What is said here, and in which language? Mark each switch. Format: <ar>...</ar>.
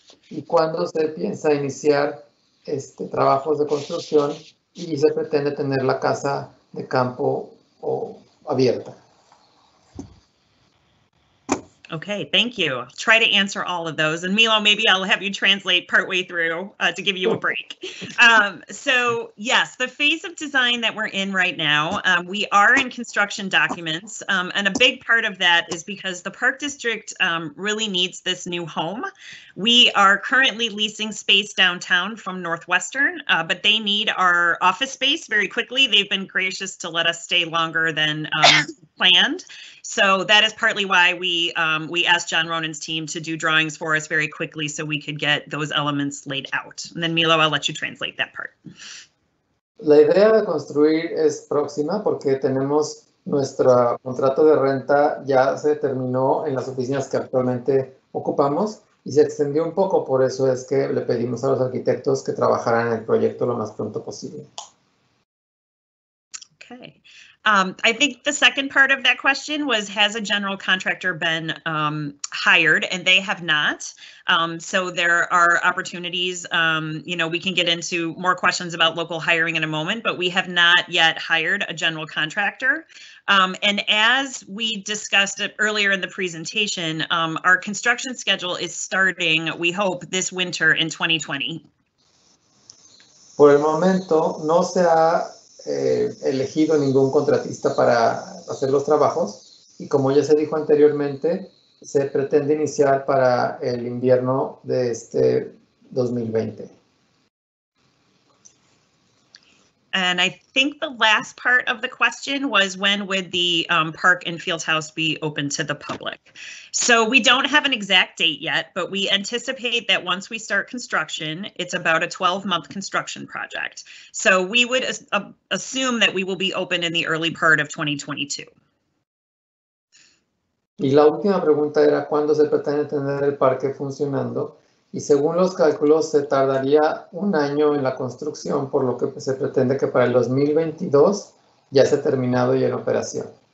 <es>¿Y cuándo se piensa iniciar trabajos de construcción y se pretende tener la casa de campo o abierta?</es> <en>Okay, thank you. I'll try to answer all of those. And Milo, maybe I'll have you translate partway through to give you a break. So yes, the phase of design that we're in right now, we are in construction documents. And a big part of that is because the Park District really needs this new home. We are currently leasing space downtown from Northwestern, but they need our office space very quickly. They've been gracious to let us stay longer than planned. So that is partly why we asked John Ronan's team to do drawings for us very quickly so we could get those elements laid out. And then Milo, I'll let you translate that part.</en> <es>La idea de construir es próxima porque tenemos nuestro contrato de renta ya se terminó en las oficinas que actualmente ocupamos y se extendió un poco, por eso es que le pedimos a los arquitectos que trabajaran en el proyecto lo más pronto posible.</es> <en>Okay. I think the second part of that question was, has a general contractor been hired? And they have not. So there are opportunities, you know, we can get into more questions about local hiring in a moment, but we have not yet hired a general contractor. And as we discussed earlier in the presentation, our construction schedule is starting, we hope, this winter in 2020.</en> <es>Por el momento, no se ha elegido ningún contratista para hacer los trabajos y como ya se dijo anteriormente, se pretende iniciar para el invierno de 2020.</es> <en>And I think the last part of the question was when would the park and field house be open to the public? So we don't have an exact date yet, but we anticipate that once we start construction, it's about a 12-month construction project. So we would assume that we will be open in the early part of 2022.</en> <es>Y la última pregunta era cuándo se pretende tener el parque funcionando. Y según los cálculos, se tardaría un año en la construcción, por lo que se pretende que para el 2022 ya esté terminado y en operación.</es>